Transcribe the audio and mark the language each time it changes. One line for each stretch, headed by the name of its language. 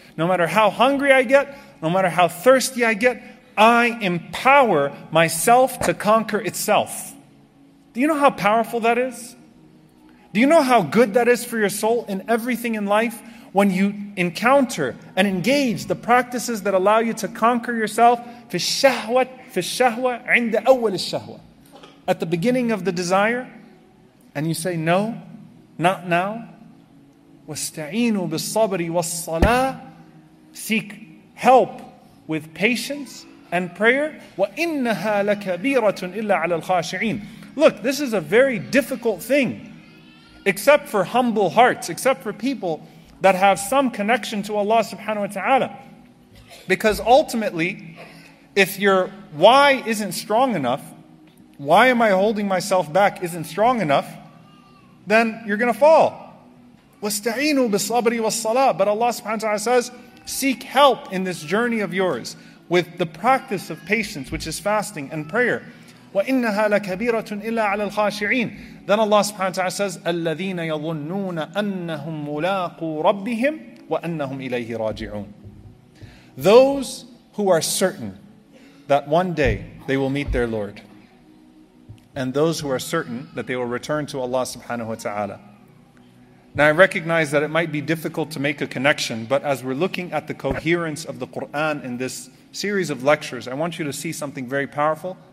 English: No matter how hungry I get, no matter how thirsty I get, I empower myself to conquer itself. Do you know how powerful that is? Do you know how good that is for your soul in everything in life when you encounter and engage the practices that allow you to conquer yourself?
Arabic: في الشهوة عند أول الشهوة.
English: At the beginning of the desire, and you say, no, not now.
Arabic: واستعينوا بالصبر والصلاة.
English: Seek help with patience and prayer.
Arabic: وإنها لكبيرة إلا على الخاشعين.
English: Look, this is a very difficult thing, except for humble hearts, except for people that have some connection to Allah subhanahu wa ta'ala. Because ultimately, if your why isn't strong enough, why am I holding myself back isn't strong enough, then you're going to fall.
Arabic: وَاسْتَعِينُوا بِالصَّبْرِ وَالصَّلَاةِ.
English: But Allah subhanahu wa ta'ala says, seek help in this journey of yours with the practice of patience, which is fasting and prayer.
Arabic: وَإِنَّهَا لَكَبِيرَةٌ إِلَّا عَلَى الْخَاشِعِينَ.
English: Then Allah subhanahu wa ta'ala says,
Arabic: الَّذِينَ يَظُنُّونَ أَنَّهُمْ مُلَاقُوا رَبِّهِمْ وَأَنَّهُمْ إِلَيْهِ رَاجِعُونَ.
English: Those who are certain that one day they will meet their Lord, and those who are certain that they will return to Allah subhanahu wa ta'ala. Now I recognize that it might be difficult to make a connection, but as we're looking at the coherence of the Qur'an in this series of lectures, I want you to see something very powerful.